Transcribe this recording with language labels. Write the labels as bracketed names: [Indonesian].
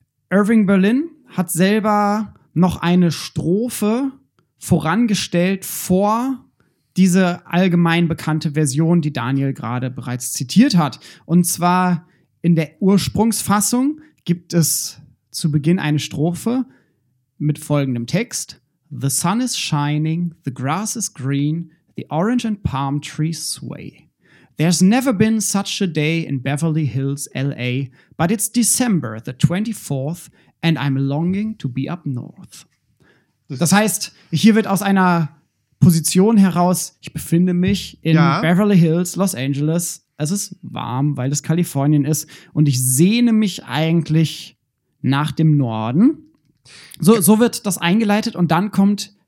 [German] Irving Berlin hat selber noch eine Strophe vorangestellt vor diese allgemein bekannte Version, die Daniel gerade bereits zitiert hat. Und zwar in der Ursprungsfassung gibt es zu Beginn eine Strophe mit folgendem Text. [English] The sun is shining, the grass is green, the orange and palm trees sway. There's never been such a day in Beverly Hills, LA, but it's December the 24th and I'm longing to be up north. [German] Das heißt, hier wird aus einer Position heraus, ich befinde mich in ja. Beverly Hills, Los Angeles. Es ist warm, weil es Kalifornien ist und ich sehne mich eigentlich nach dem Norden. So wird das eingeleitet und dann kommt